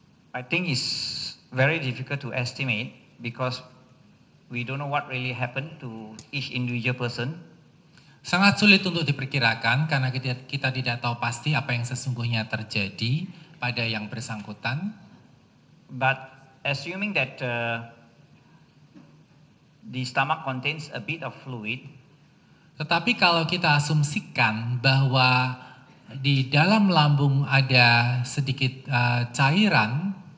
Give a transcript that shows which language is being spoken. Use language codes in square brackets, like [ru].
[en] I think it's very difficult to estimate because we don't know what really happened to each individual person. [id] Sangat sulit untuk diperkirakan karena kita tidak tahu pasti apa yang sesungguhnya terjadi pada yang bersangkutan. [en] But assuming that the stomach contains a bit of fluid. [id] Tetapi kalau kita asumsikan bahwa di dalam lambung ada sedikit cairan.